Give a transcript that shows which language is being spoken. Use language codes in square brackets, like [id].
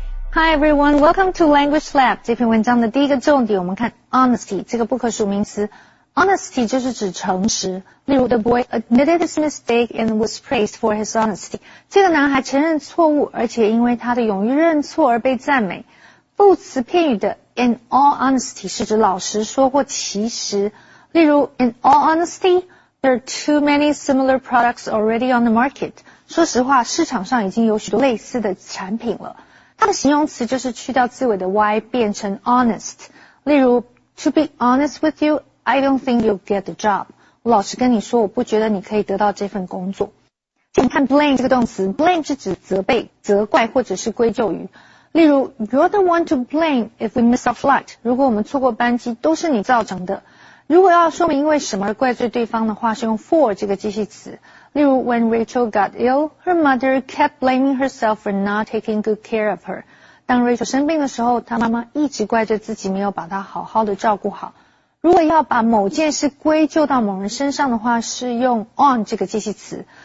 [en] Hi everyone, welcome to Language Lab. [zh] 这篇文章的第一个重点，我们看 honesty 这个不可数名词。 Honesty 就是指诚实。例如 [en] ，The boy admitted his mistake and was praised for his honesty. [zh] 这个男孩承认错误，而且因为他的勇于认错而被赞美。副词片语的 in all honesty 是指老实说或其实。例如 [en] ，In all honesty, there are too many similar products already on the market. [zh] 说实话，市场上已经有许多类似的产品了。它的形容词就是去掉字尾的 y 变成 honest。例如 [en] ，To be honest with you, I don't think you'll get the job。 [zh] 我老实跟你说，我不觉得你可以得到这份工作。请看 blame 这个动词 ，blame 是指责备、责怪或者是归咎于。例如 [en] ，You're the one to blame if we miss our flight。 [zh] 如果我们错过班机，都是你造成的。如果要说明因为什么而怪罪对方的话，是用 for 这个介系词。例如 [en] ，When Rachel got ill, her mother kept blaming herself for not taking good care of her. [zh] 当 Rachel 生病的时候，她妈妈一直怪罪自己没有把她好好的照顾好。如果要把某件事归咎到某人身上的话，是用 on 这个介系词。